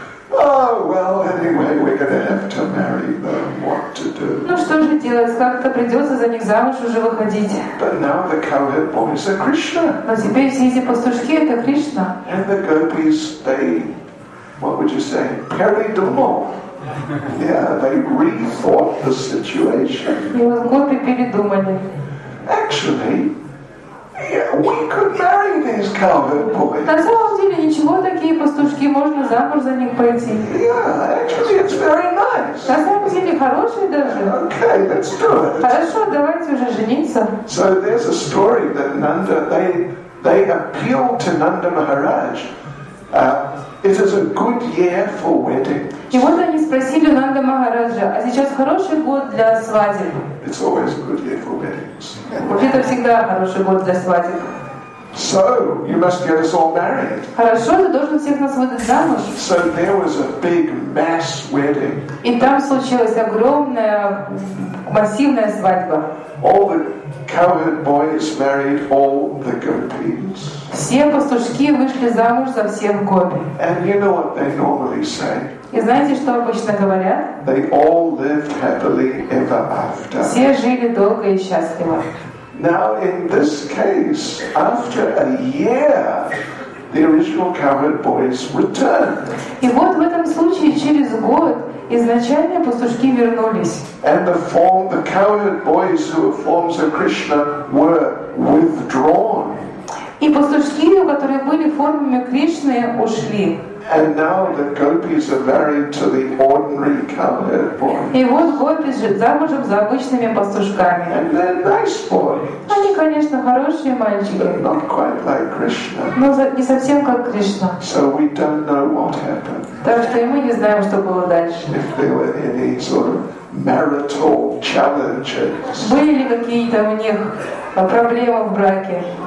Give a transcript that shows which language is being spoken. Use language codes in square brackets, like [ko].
[en] Oh well, anyway, we're going to have to marry them. What to do? [ru] Ну что же делать? Как-то придется за них замуж уже выходить. [en] But now the cowherd boys are Krishna. [ru] Но теперь все эти пастушки это Кришна. [en] And the gopis, they, what would you say, [ru] передумал. [en] Yeah, they rethought the situation. [ru] И вот гопи передумали. [en] Actually. Yeah, we could marry these cowherd boys. [ru] На самом деле ничего такие пастушки можно замуж за них пойти. [en] Yeah, actually it's very nice. [ru] На самом деле хорошие даже. [en] Okay, let's do it. [ru] Хорошо, давайте уже жениться. [en] So there's a story that Nanda they appealed to Nanda Maharaj. It is a good year for weddings. [ru] И вот они спросили Нанда Махараджа, а сейчас хороший год для свадеб? [en] It's always a good year for weddings. [ru] Вообще-то всегда хороший год для свадеб. [en] So you must get us all married. [ru] Хорошо, ты должен всех нас выдать замуж. [en] So there was a big mass wedding. [ru] И там случилась огромная массивная свадьба. [en] All the cowherd boys married all the gopis. [ru] Все пастушки вышли замуж за всех гопи. [en] And you know what they normally say? [ru] И знаете, что обычно говорят? [en] They all lived happily ever after. [ru] Все жили долго и счастливо. [en] Now in this case, after a year, the original cowherd boys returned. [ru] И вот в этом случае через год изначально пастушки вернулись. [en] And the form, the cowherd boys who were forms of Krishna were withdrawn. [ru] И пастушки, которые были формами Кришны, ушли. [en] And now the gopis are married to the ordinary cowherd boys. [ru] И вот гопи замужем за обычными пастушками. [en] And they're nice boys. [ru] Они, конечно, хорошие мальчики. [en] But not quite like Krishna. [ru] Но не совсем как Кришна. [en] So we don't know what happened. [ru] Так что и мы не знаем, что было дальше. [en] If there were any sort of marital challenges. [ru] Были ли какие-то у них проблемы в браке?